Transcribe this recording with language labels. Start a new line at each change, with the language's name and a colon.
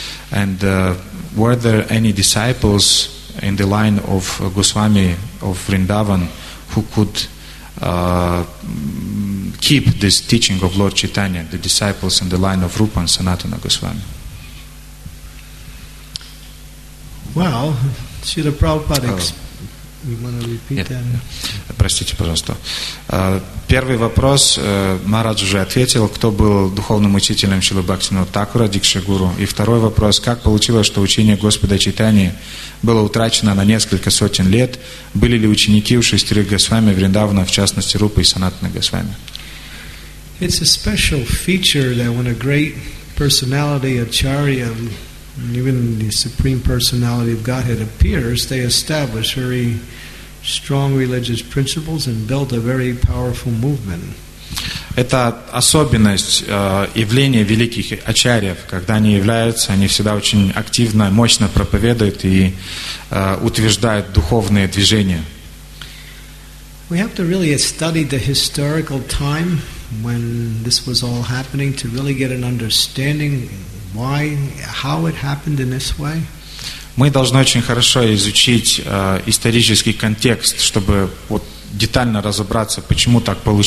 English: And were there any disciples in the line of Goswami of Vrindavan who could keep this teaching of Lord Chaitanya, the disciples in the line of Rupa and Sanatana Goswami? Well, Srila Prabhupada, you want to repeat that?
Russian: Простите, пожалуйста. Первый вопрос Марадж уже ответил, кто был духовным учителем Шрилы Бхактивинода Тхакура, Дикшагуру. И второй вопрос, как получилось, что учение Господа Чайтани было утрачено на несколько сотен лет? Были ли ученики у шестерых Госвами Вриндавана, в частности Рупы и Санатана Госвами?
English: It's a special feature that when a great personality, Acharya, even the supreme personality of Godhead appears, they establish very strong religious principles and build a very powerful movement.
Russian: Это особенность явления великих ачарьев, когда они являются, они всегда очень активно, мощно проповедуют и утверждают духовные движения.
English: We have to really study the historical time when this was all happening to really get an understanding why, how it happened in this way.
Russian: Мы должны очень хорошо изучить исторический контекст, чтобы вот детально разобраться, почему так